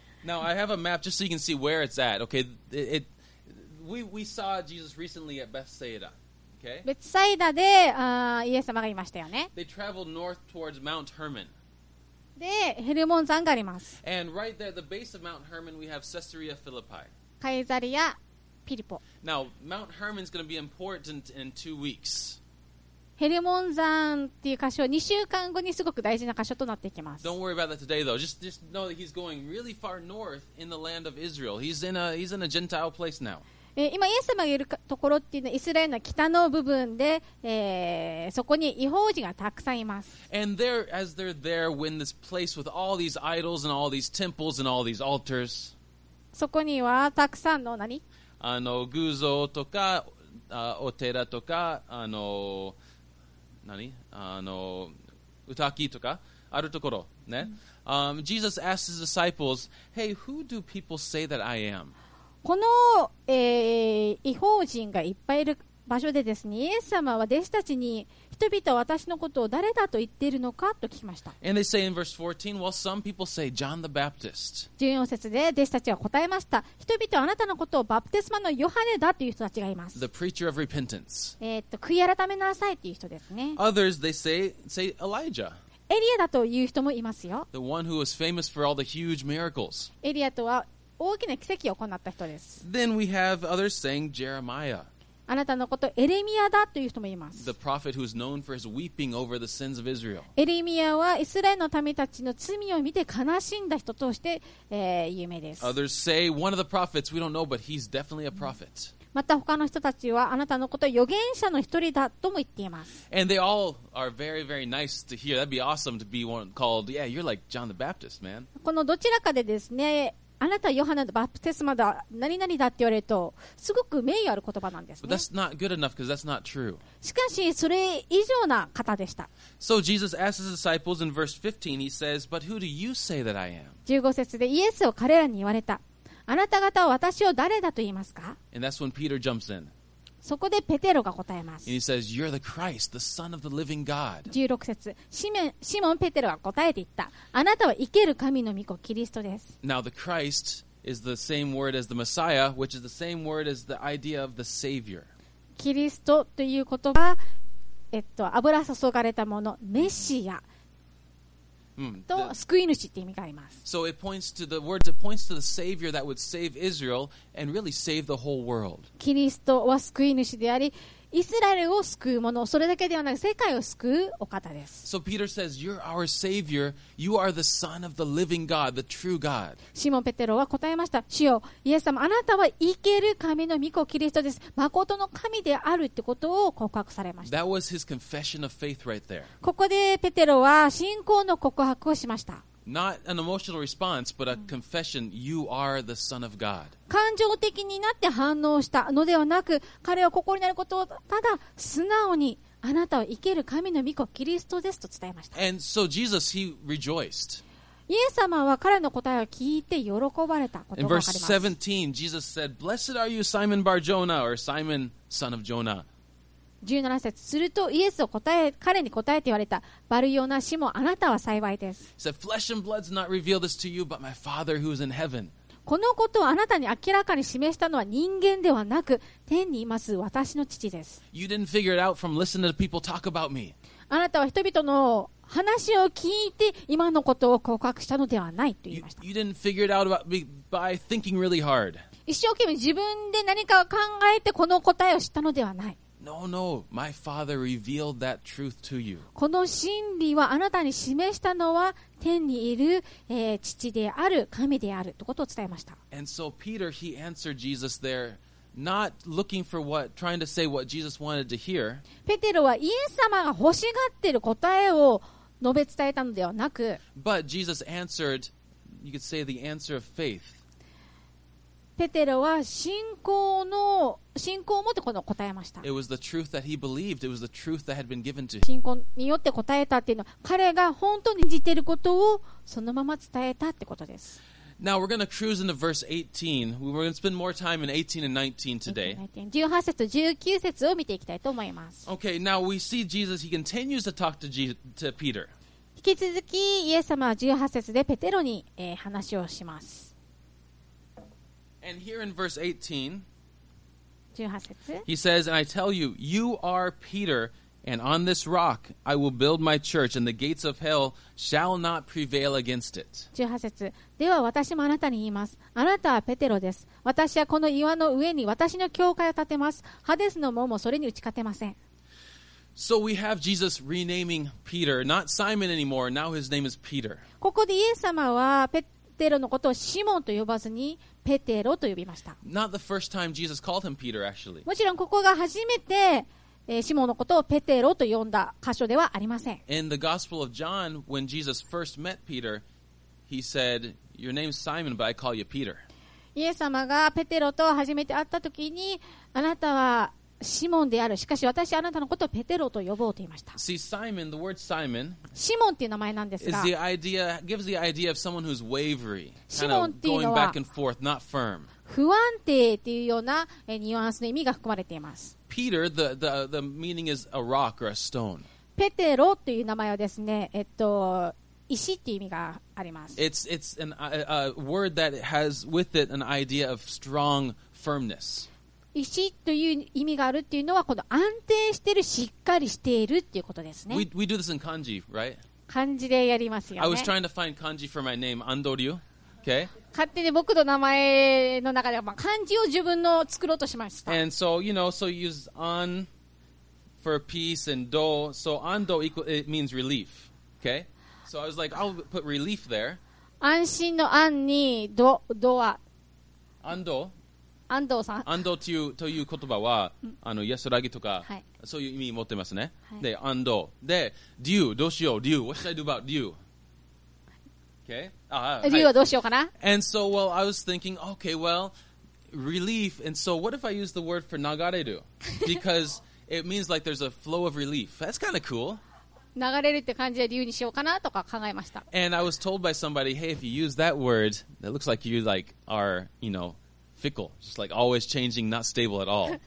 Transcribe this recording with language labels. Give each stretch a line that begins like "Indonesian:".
English: Now I have a map just so you can see where it's at. Okay, we saw Jesus recently at Bethsaida. Okay.
Japanese: ベツサイダで、イエス様がいましたよね。
English: They traveled north towards Mount Hermon.
Japanese: で、ヘルモン山があります。
English: And right there, at the base of Mount Hermon, we have Caesarea Philippi.
Japanese: カイザリア、ピリポ。
English: Now Mount Hermon is going to be important in 2 weeks.
Japanese: ヘルモン山っていう箇所は2週間後にすごく大事な箇所となっていきます。
English: Don't worry about that today though. Just know that he's going really far north in the land of Israel. He's in a Gentile place now.
Japanese: 今イエス様がいるところっていうのはイスラエルの北の部分で、そこに異邦人がたくさんいます。
English: And there, as they're there, when this place with all these idols and all these temples and all these altars,
Japanese: そこにはたくさんの何？あの偶像とかお寺とかあの何あの歌きとかあるところね、
English: Jesus asked his disciples, "Hey, who do people say that I am?"
Japanese: この、異邦人がいっぱいいる場所でですね、イエス様は弟子たちに人々は私のことを誰だと言っているのかと聞きました。
English: And they say in verse 14, "Well, some people say John the Baptist."
Japanese: 14節で弟子たちは答えました。人々はあなたのことをバプテスマのヨハネだという人たちがいます。
English: The preacher of repentance.
Japanese: 悔い改めなさいという人ですね。
English: Others they say Elijah.
Japanese: エリアだという人もいますよ。
English: The one who was famous for all the huge miracles.
Japanese: エリアとは大きな奇跡を行った人です。
English: Then we have others saying Jeremiah.
Japanese: あなたのことエレミアだという人もいます。
English: The prophet who is known for his weeping over the sins of Israel.
Japanese: エレミアはイスラエルの民たちの罪を見て悲しんだ人として、有名です。
English: Others say one of the prophets, we don't know, but he's definitely a prophet.
Japanese: また他の人たちはあなたのことを預言者の一人だとも言っています。
English: And they all are very, very nice to hear. That'd be awesome to be one called, yeah, you're like John the Baptist, man.
Japanese: このどちらかでですね、あなたはヨハネのバプテスマだ何々だって言われるとすごく名誉ある言葉なんですね。
English: But that's not good enough because that's not true.
Japanese: しかしそれ以上な方でした。
English: So Jesus asks his disciples in verse 15, he says, "But who do you say that I am?"
Japanese: 15節でイエスを彼らに言われた。あなた方は私を誰だと言いますか？
English: And that's when Peter jumps in.
Japanese: そこでペテロが答えます。
English: And he says, "You're the Christ, the Son of the Living God."
Japanese: 16節、シモンペテロは答えていった。あなたは生ける神の御子キリストです。
English: Now the Christ is the same word as the Messiah, which is the same word as the idea of the Savior.
Japanese: キリストという言葉、油注がれたものメシアと救い主という意味があります。
English: So it points to the words. It points to the Savior that would save Israel and really save the whole world.
Japanese: キリストは救い主であり、イスラエルを救うもの、それだけではなく世界を救うお方です。
English: So Peter says, "You're our Savior. You are the Son of the Living God, the True God."
Japanese: シモンペテロは答えました。主よ、イエス様、あなたは生ける神の御子キリストです。まことの神であるってことを告白されました。
English: That was his confession of faith right there.
Japanese: ここでペテロは信仰の告白をしました。
English: Not an emotional response, but a confession. You are the Son of God.
Japanese: 感情的になって反応したのではなく、彼は心になることをただ素直に、あなたは生ける神の御子キリストですと伝えました。
English: And so Jesus, he rejoiced.
Japanese: イエス様は彼の答えを聞いて喜ばれたことがわかります。
English: In verse 17, Jesus said, "Blessed are you, Simon Bar-Jonah, or Simon, son of Jonah."
Japanese: 17節、するとイエスを答え、彼に答えて言われた、バルヨナ、シモン、あなたは幸いです。
English: He said, "Flesh and blood does not reveal this to you, but my Father who is in heaven."
Japanese: このことをあなたに明らかに示したのは人間ではなく、天にいます私の父です。
English: You didn't figure it out from listening to people talk about me.
Japanese: あなたは人々の話を聞いて今のことを告白したのではないと言いました。
English: You didn't figure it out about me by thinking really hard.
Japanese: 一生懸命自分で何かを考えてこの答えを知ったのではない。
English: No, my father revealed that truth to you.
Japanese: この真理はあなたに示したのは天にいる、父である神であるということを伝えました。
English: And so Peter, he answered Jesus there, not looking for what, trying to say what Jesus wanted to hear.
Japanese: ペテロはイエス様が欲しがっている答えを述べ伝えたのではなく、
English: But Jesus answered, you could say the answer of faith.
Japanese: ペテロは信仰を持ってこの答えました。
English: It was the truth that he believed. It was the truth that had been given to him.
Japanese: 信仰によって答えたっていうのは、彼が本当に信じていることをそのまま伝えたってことです。
English: Now we're going to cruise into verse 18. We were going to spend more time in 18 and 19 today.
Japanese: 18節と19節を見ていきたいと思います。
English: Okay, now we see Jesus. He continues to talk to Peter.
Japanese: 引き続きイエス様は18節でペテロに、話をします。
English: And here in verse 18, he says, "And I tell you, you are Peter, and on this rock I will build my church, and the gates of hell shall not prevail against it."
Japanese: 18節。では私もあなたに言います。あなたはペテロです。私はこの岩の上に私の教会を建てます。ハデスの門もそれに打ち勝てません。
English: So we have Jesus renaming Peter, not Simon anymore. Now his name is Peter.
Japanese: ここでイエス様はペテロのことをシモンと呼ばずにペテロと呼びました。
English: Not the first time Jesus called him Peter, actually.
Japanese: もちろんここが初めて、シモンのことをペテロと呼んだ箇所ではありません。
English: In the Gospel of John, when Jesus first met Peter, he said, "Your name's Simon, but I call you Peter."
Japanese: イエス様がペテロと初めて会った時に、あなたはシモンである。しかし私はあなたのことをペテロと呼ぼうと言いました。
English: See, Simon, the word Simon,
Japanese: シモンという名前なんですが、
English: is the idea, gives the idea of someone who's wavery, kind of going back and forth, not firm.
Japanese: 不安定というようなニュアンスの意味が含まれています。
English: Peter, the meaning is a rock or a stone.
Japanese: ペテロという名前はですね、石という意味があります。
English: It's an, a word that has with it an idea of strong firmness.
Japanese: 石という意味があるっていうのはこの安定してる、しっかりしているっていうことですね。
English: We do this in kanji, right?
Japanese: 漢字でやりますよね。
English: I was trying to find kanji for my name, Andoryu. Okay.
Japanese: 勝手に僕の名前の中では、漢字を自分の作ろうとしました。
English: And so, you know, so you use an for peace and do. So ando equal, it means relief. Okay. So I was like, I'll put relief there.
Japanese: 安心の安にど、どは。 ando? 安藤さん、安藤という、という言葉は、安らぎとか、はい、そういう意味持ってますね。はい、で、安藤。で、竜、どうしよう、竜。
English: What should I do about 竜?Okay?
Japanese: 竜はどうしようかな?
English: And so, well, I was thinking, okay, well, relief. And so, what if I use the word for
Japanese: 流れる?
English: Because it means like there's a flow of relief. That's kind of cool.
Japanese: 流れるって感じで竜にしようかなとか考えました。
English: And I was told by somebody, hey, if you use that word, it looks like you like are, you know, fickle, just like always changing, not stable at all.